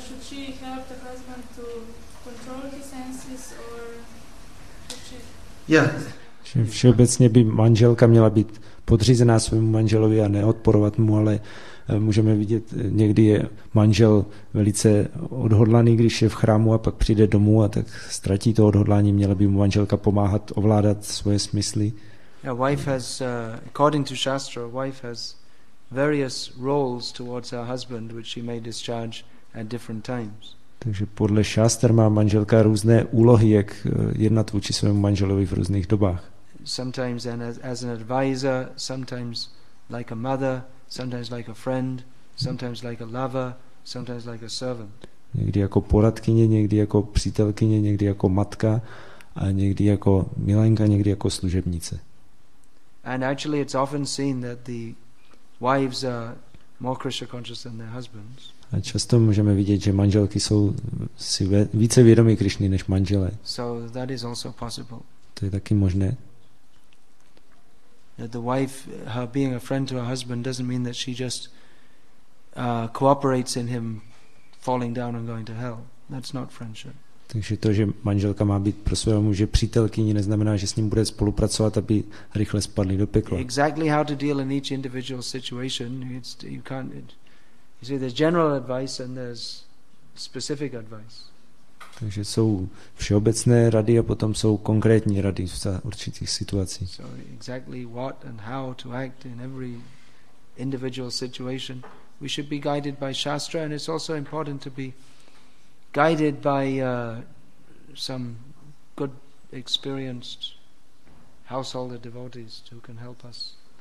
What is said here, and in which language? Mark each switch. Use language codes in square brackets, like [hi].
[en] Should she help the husband to control his senses, or should she? Yeah. [cs] Všeobecně by manželka měla být podřízená svému manželovi a neodporovat mu, ale můžeme vidět, někdy je manžel velice odhodlaný, když je v chrámu a pak přijde domů a tak ztratí to odhodlání, měla by mu manželka pomáhat ovládat svoje smysly. [en] A wife has, according to Shastra, wife has various roles towards her husband, which she may discharge at different times. [cs] Takže podle šáster má manželka různé úlohy, jak jednat vůči svému manželovi v různých dobách. [en] Sometimes as an advisor, sometimes like a mother, sometimes like a friend, sometimes like a lover, sometimes like a servant. [cs] Někdy jako poradkyně, někdy jako přítelkyně, někdy jako matka a někdy jako milenka, někdy jako služebnice. [en] And actually it's often seen that the wives are more Krishna conscious than their husbands. [cs] A často můžeme vidět, že manželky jsou si více vědomí Krišny než manželé. [en] So that is also possible. [cs] To je taky možné. [en] That the wife, her being a friend to her husband, doesn't mean that she just cooperates in him falling down and going to hell. That's not friendship. [cs] Takže to, že manželka má být pro svého muže přítelkyni, neznamená, že s ním bude spolupracovat, aby rychle spadli do pekla. [en] Exactly how to deal in each individual situation, it's, you can't. You see, there's general advice and there's specific advice. [cs] Takže jsou všeobecné rady a potom jsou konkrétní rady v určitých situacích. [en] So exactly what and how to act in every individual situation, we should be guided by Shastra, and it's also important to be guided by some good experienced householder devotees who can help us.